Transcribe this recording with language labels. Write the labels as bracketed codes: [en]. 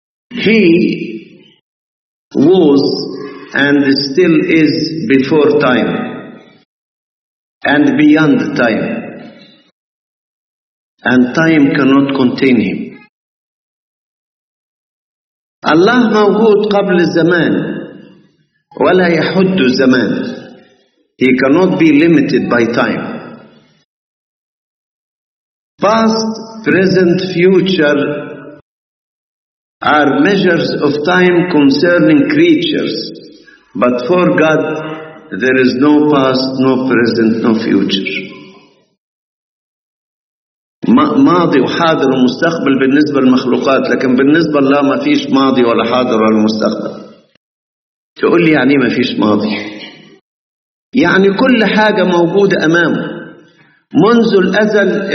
[en] He was and still is before time and beyond time, and time cannot contain him. [ar] الله موجود قبل الزمان ولا يحد الزمان. [en] He cannot be limited by time. Past, present, future are measures of time concerning creatures. But for God, there is no past, no present, no future. [ar] ماضي وحاضر ومستقبل بالنسبة للمخلوقات، لكن بالنسبة لله ما فيش ماضي ولا حاضر ولا مستقبل. تقول لي يعني ما فيش ماضي؟ يعني كل حاجة موجودة أمامه منذ الأزل.